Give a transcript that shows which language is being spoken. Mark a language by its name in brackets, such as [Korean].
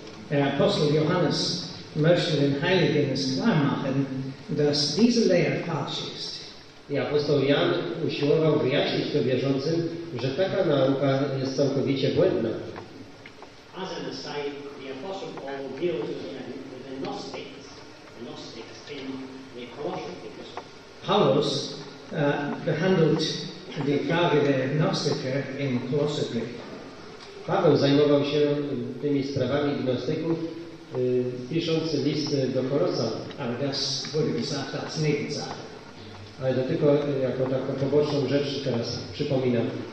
[German] Der Apostel Johannes möchte den Heiligen es klar machen, dass diese Lehre falsch ist. Der Apostel [Polish] Jan usiłował wyjaśnić to wierzącym, że taka nauka jest całkowicie błędna. [English] As an aside, the Apostle Paul deals with the Gnostics, in the Colossians, because [German] Paulus behandelt die Frage der Gnostiker in Colossae. [Polish] Paweł zajmował się tymi sprawami gnostyków, pisząc list do Kolosa. [German] Ale das wurde gesagt als Nebensache. [Polish] Ale to tylko jako taką poboczną rzecz teraz przypominam.